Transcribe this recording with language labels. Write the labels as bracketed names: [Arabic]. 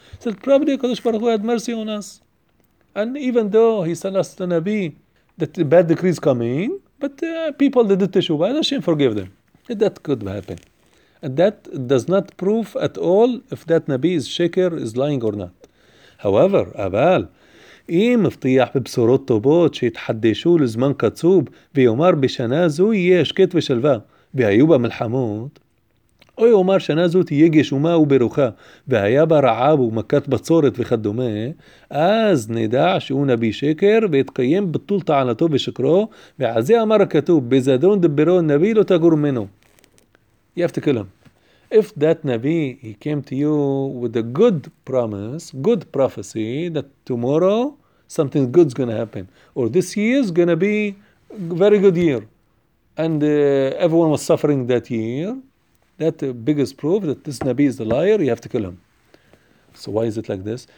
[English] He said, probably HaKadosh Baruch Hu had mercy on us. And even though he sent us the Nabi, that the bad decree is coming, but people that did Teshuvah, Hashem forgave them. That could happen. And that does not prove at all if that Nabi is shaker, is lying or not. However, [Hebrew] Abal, אם מבטיח בבשורות טובות שיתחדשו לזמן קצוב ויאמר בשנה זו יהיה שקט ושלווה והיו בה מלחמות, או יאמר שנה זו תהיה גשומה וברוכה והיה בה רעב ומכת בצורת וכדומה, אז נדע שהוא נביא שקר והתקיים בטול טענתו ושקרו, ועל זה אמר הכתוב בזדון דברו נביא לא תגור ממנו. יפתק להם. [English] If that Nabi, he came to you with a good promise, good prophecy, that tomorrow something good is going to happen, or this year is going to be a very good year, and everyone was suffering that year, that biggest proof that this Nabi is a liar, you have to kill him. So why is it like this?